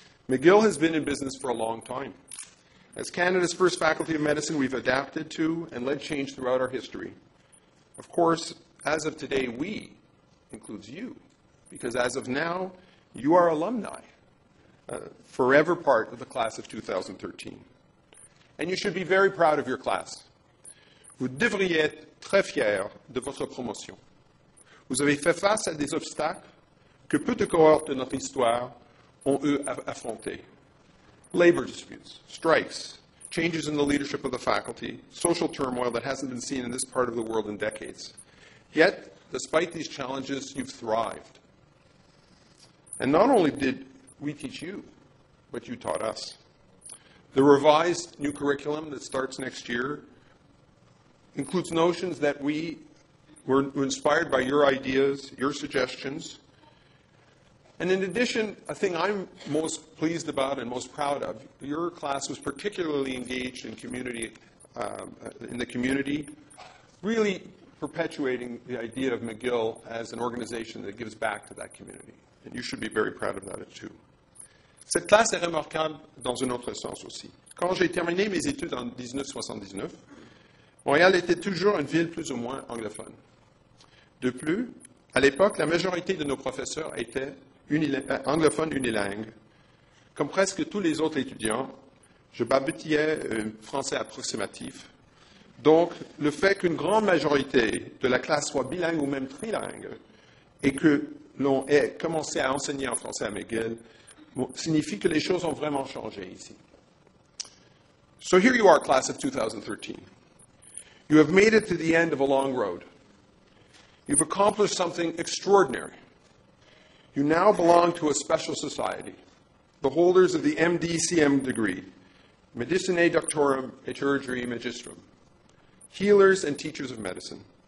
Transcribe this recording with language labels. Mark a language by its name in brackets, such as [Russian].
[English] McGill has been in business for a long time. As Canada's first faculty of medicine, we've adapted to and led change throughout our history. Of course, as of today, we includes you, because as of now, you are alumni. Forever part of the class of 2013. And you should be very proud of your class. [French] Vous devriez être très fier de votre promotion. Vous avez fait face à des obstacles que peu de cohortes de notre histoire ont eu à affronter. [English] Labor disputes, strikes, changes in the leadership of the faculty, social turmoil that hasn't been seen in this part of the world in decades. Yet, despite these challenges, you've thrived. And not only did we teach you, but you taught us. The revised new curriculum that starts next year includes notions that we were inspired by your ideas, your suggestions. And in addition, a thing I'm most pleased about and most proud of, your class was particularly engaged in community, in the community, really perpetuating the idea of McGill as an organization that gives back to that community. And you should be very proud of that too. [French] Cette classe est remarquable dans un autre sens aussi. Quand j'ai terminé mes études en 1979, Montréal était toujours une ville plus ou moins anglophone. De plus, à l'époque, la majorité de nos professeurs étaient anglophones unilingues. Comme presque tous les autres étudiants, je babutillais un français approximatif. Donc, le fait qu'une grande majorité de la classe soit bilingue ou même trilingue et que l'on ait commencé à enseigner en français à McGill signifie que les choses ont vraiment changé ici. [English] So here you are, class of 2013. You have made it to the end of a long road. You've accomplished something extraordinary. You now belong to a special society, the holders of the MDCM degree, Medicinae Doctorum et Chirurgiae Magistrum, healers and teachers of medicine.